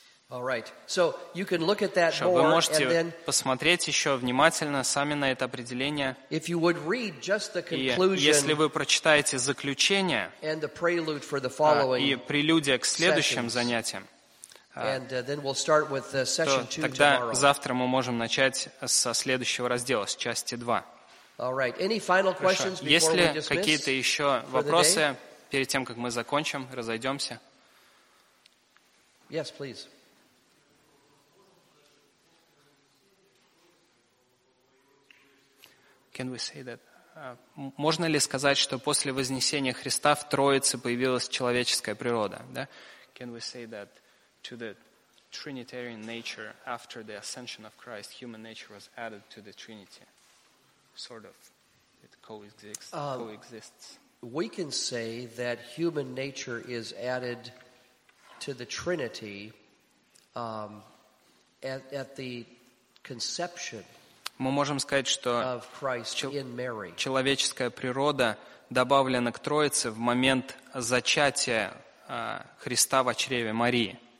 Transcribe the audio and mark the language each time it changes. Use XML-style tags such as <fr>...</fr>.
<en>All right. So you can look at that more,</en> <ru>вы можете посмотреть еще внимательно сами на это определение.</ru> <en>If you would read just the conclusion,</en> <ru>и если вы прочитаете заключение</ru> <en>and the prelude for the following</en> <ru>и прелюдия к следующим занятиям,</ru> <en>and then we'll start with the session two tomorrow.</en> <ru>Тогда завтра мы можем начать со следующего раздела, с части 2.</ru> <en>All right. Any final questions before we dismiss for the day?</en> <ru>Есть ли какие-то еще вопросы перед тем, как мы закончим, разойдемся?</ru> <en>Yes, please. Can we say that?</en> <ru>Можно ли сказать, что после вознесения Христа в Троице появилась человеческая природа, да?</ru> <en>Can we say that to the Trinitarian nature after the ascension of Christ, human nature was added to the Trinity? Sort of, it coexists. We can say that human nature is added to the Trinity at the conception.</en> <ru>Мы можем сказать, что человеческая природа добавлена к Троице в момент зачатия Христа в чреве Марии.</ru>